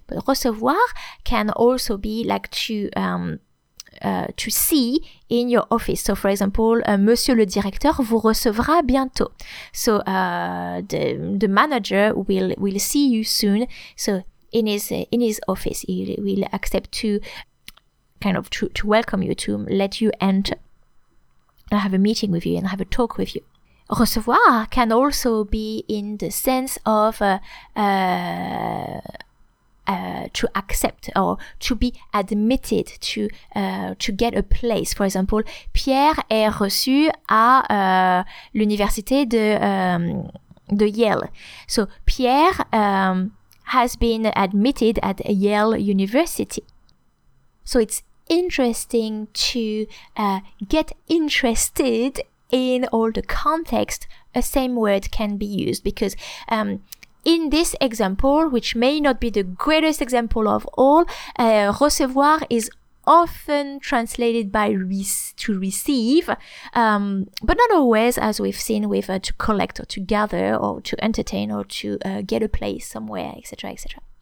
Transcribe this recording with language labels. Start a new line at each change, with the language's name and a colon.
English: But recevoir can also be like to see in your office. So for example,
French: Monsieur le directeur vous recevra bientôt.
English: So the manager will see you soon. So in his office, he will accept to welcome you, to let you enter and have a meeting with you and have a talk with you. Recevoir can also be in the sense of to accept or to be admitted, to get a place. For example,
French: Pierre est reçu à l'université de Yale.
English: So Pierre has been admitted at Yale University. So it's interesting to get interested in all the context a same word can be used, because in this example, which may not be the greatest example of all, recevoir is often translated by to receive, but not always, as we've seen with to collect or to gather or to entertain or to get a place somewhere, etc., etc.